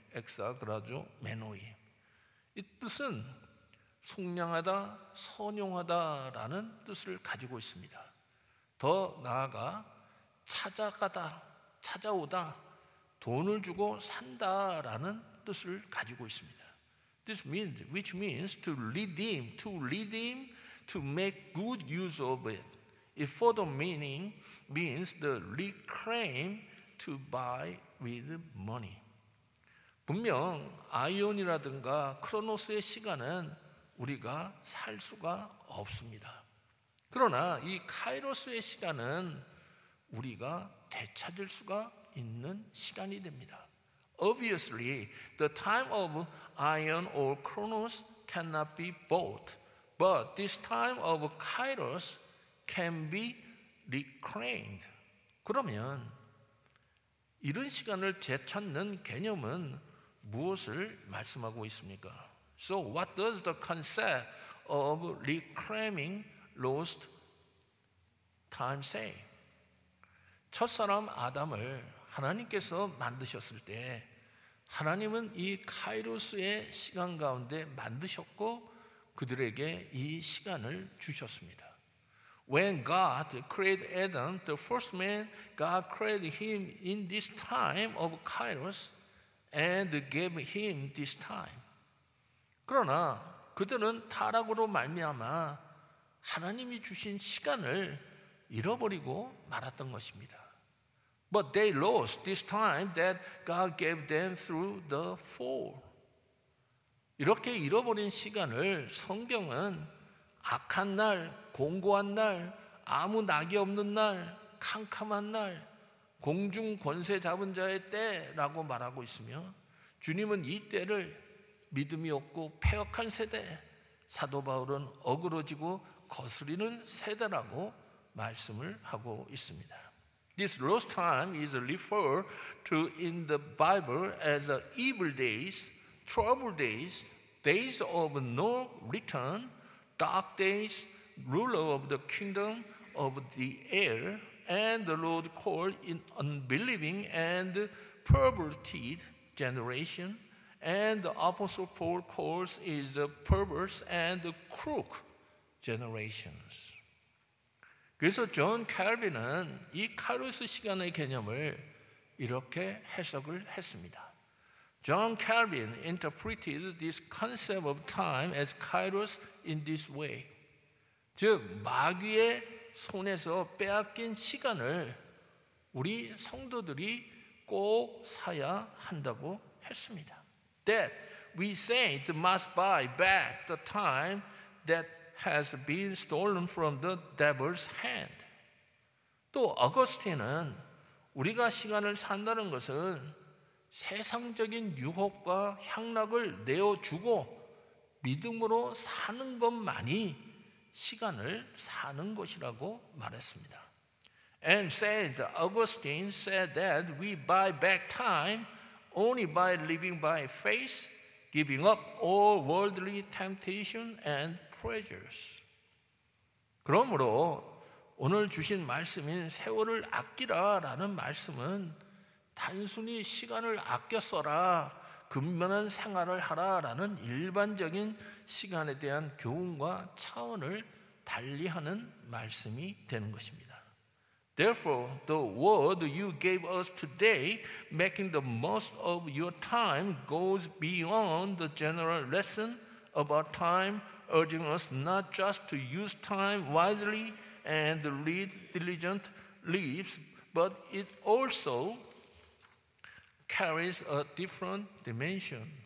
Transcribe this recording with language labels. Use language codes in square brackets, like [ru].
[el] exagrazomenoi. [ko] 이 뜻은 숭량하다, 선용하다라는 뜻을 가지고 있습니다. 더 나아가 찾아가다, 찾아오다, 돈을 주고 산다라는 뜻을 가지고 있습니다. [en] This means, which means to redeem, to redeem, to make good use of it. If further meaning means the reclaim to buy with money. [ko] 분명 아이온이라든가 크로노스의 시간은 우리가 살 수가 없습니다. 그러나 이 카이로스의 시간은 우리가 되찾을 수가 있는 시간이 됩니다. [en] Obviously, the time of Ion or Kronos cannot be bought, but this time of Kairos can be reclaimed. [ko] 그러면 이런 시간을 되찾는 개념은 무엇을 말씀하고 있습니까? [en] So what does the concept of reclaiming lost time say? [ko] 첫 사람 아담을 하나님께서 만드셨을 때 하나님은 이 카이로스의 시간 가운데 만드셨고 그들에게 이 시간을 주셨습니다. [en] When God created Adam, the first man, God created him in this time of Kairos and gave him this time. [ko] 그러나 그들은 타락으로 말미암아 하나님이 주신 시간을 잃어버리고 말았던 것입니다. [en] But they lost this time that God gave them through the fall. [ko] 이렇게 잃어버린 시간을 성경은 악한 날, 공고한 날, 아무 낙이 없는 날, 캄캄한 날, 공중 권세 잡은 자의 때라고 말하고 있으며 주님은 이 때를 믿음이 없고 패역한 세대, 사도 바울은 어그러지고 거스리는 세대라고 말씀을 하고 있습니다. [en] This lost time is referred to in the Bible as evil days, troubled days, days of no return, dark days, ruler of the kingdom of the air, and the Lord called in unbelieving and perverted generation, and the Apostle Paul calls is a perverse and crook generations. [ko] 그래서 존 칼빈은 이 카이로스 시간의 개념을 이렇게 해석을 했습니다. [en] John Calvin interpreted this concept of time as Kairos in this way. [ko] 즉 마귀의 손에서 빼앗긴 시간을 우리 성도들이 꼭 사야 한다고 했습니다. [en] That we saints must buy back the time that has been stolen from the devil's hand. [ko] 또 어거스틴은 우리가 시간을 산다는 것은 세상적인 유혹과 향락을 내어주고 믿음으로 사는 것만이 시간을 사는 것이라고 말했습니다. [en] And said Augustine said that we buy back time only by living by faith, giving up all worldly temptation and pleasures. [ko] 그러므로 오늘 주신 말씀인 세월을 아끼라라는 말씀은 단순히 시간을 아껴 써라, 근면한 생활을 하라라는 일반적인 시간에 대한 교훈과 차원을 달리하는 말씀이 되는 것입니다. [en] Therefore, the word you gave us today, making the most of your time, goes beyond the general lesson about time, urging us not just to use time wisely and lead diligent lives, but it also carries a different dimension.